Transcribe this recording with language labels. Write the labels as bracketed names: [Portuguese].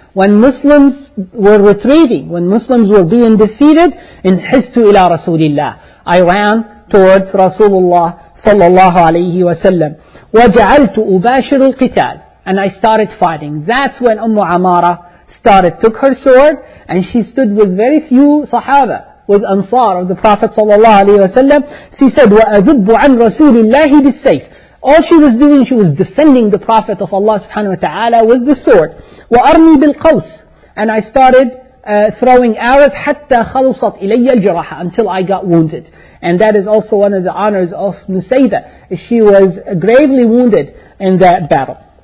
[English] When Muslims were retreating, when Muslims were being defeated, in [Arabic] حِسْتُ إِلَى رَسُولِ اللَّهِ, [English] I ran towards Rasulullah sallallahu alayhi wa sallam. [Arabic] وَجَعَلْتُ أُبَاشِرُ الْقِتَالِ. [English] And I started fighting. That's when Ummu Amara started, took her sword, and she stood with very few sahaba, with ansar of the Prophet sallallahu alayhi wa sallam. She said, [Arabic] وَأَذُبُّ عَنْ رَسُولِ اللَّهِ بِالسَّيْفِ. [English] All she was doing, she was defending the Prophet of Allah subhanahu wa ta'ala with the sword. [Arabic] وَأَرْمِي بِالْقَوْسِ. [English] And I started throwing arrows, [Arabic] حَتَّى خَلُصَتْ إِلَيَّ الْجِرَحَ, [English] until I got wounded. And that is also one of the honors of Nusayda. She was gravely wounded in that battle.